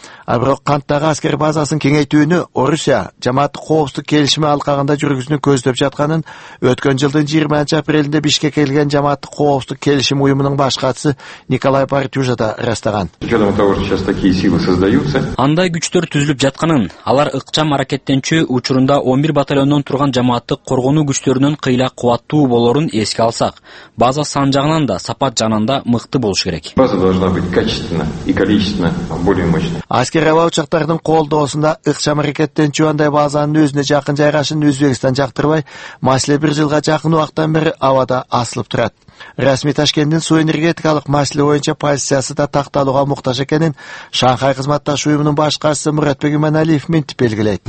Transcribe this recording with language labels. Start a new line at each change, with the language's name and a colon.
Kyrgyz: А бирок Канттагы аскер базасын кеңейтүүнү Орусия жамааттык коопсуздук келишими алкагында жүргүзүүнү көздөп жатканын өткөн жылдын 20-апрелинде Бишкекке келген жамааттык коопсуздук келишим уюмунун баш катчысы Николай Партюжа да ырастаган. Андай күчтөр түзүлүп жатканын, алар ыкчам аракеттенчү учурунда 11 батальондон турган жамааттык коргоонуу күчтөрүнүн кыйла кубаттуу болорун эске алсак, база сан жагынан да, сапат жагынан да мыкты болуш керек.
Russian: База должна быть качественна и количественна более мощна.
Kyrgyz: чегала учактардын колдоосунда ыкчам аракеттен чуандай базанын өзүнө жакын жайгашын Өзбекстан жактырбай маселе бир жылга жакын убакыттан бери абада асылып турат. Расмий Ташкенттин суу энергетикалык маселе боюнча позициясы да такталууга муктаж экенин Шанхай кызматташ уюмунун башкачысы Муратбек Иманалиев минтип белгилейт.